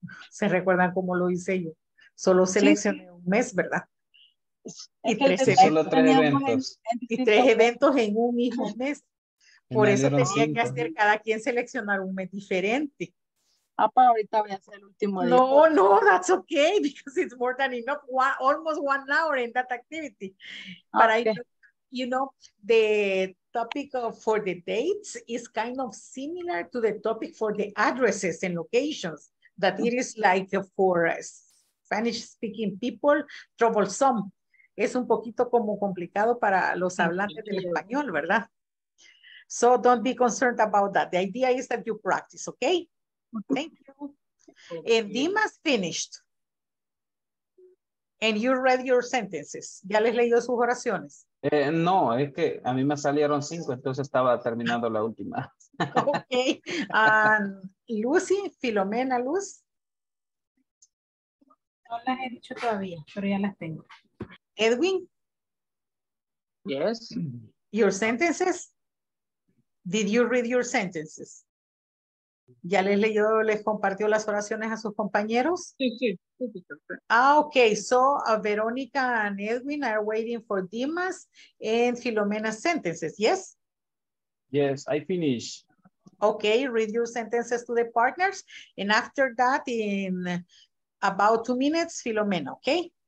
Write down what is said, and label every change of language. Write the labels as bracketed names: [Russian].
[Spanish] ¿Se recuerdan cómo lo hice yo? Solo seleccioné un mes, ¿verdad? Y tres eventos. Tres eventos en un mismo mes. Por eso tenía que hacer cada quien seleccionar un mes diferente. Apa, ahorita voy a hacer el último día. [English] No, no, that's okay, because it's more than enough, almost 1 hour in that activity. But okay. I, you know, the topic of, for the dates is kind of similar to the topic for the addresses and locations, that it is like for Spanish-speaking people, troublesome. [Spanish] Es un poquito como complicado para los hablantes del español, ¿verdad? [English] So don't be concerned about that. The idea is that you practice, okay? Thank you. And Dimas finished. And you read your sentences. [Spanish] ¿Ya les leyó sus oraciones? No, es que a mí me salieron 5, entonces estaba terminando la última. [English] Okay. Lucy, Filomena, Luz. [Spanish] No las he dicho todavía, pero ya las tengo. [English] Edwin? Yes. Your sentences? Did you read your sentences? [Spanish] ¿Ya les leyó, les compartió las oraciones a sus compañeros? Sí, sí. [English] Ah, okay. So, Veronica and Edwin are waiting for Dimas and Filomena's sentences. Yes? Yes, I finished. Okay, read your sentences to the partners. And after that, in about 2 minutes, Filomena, okay?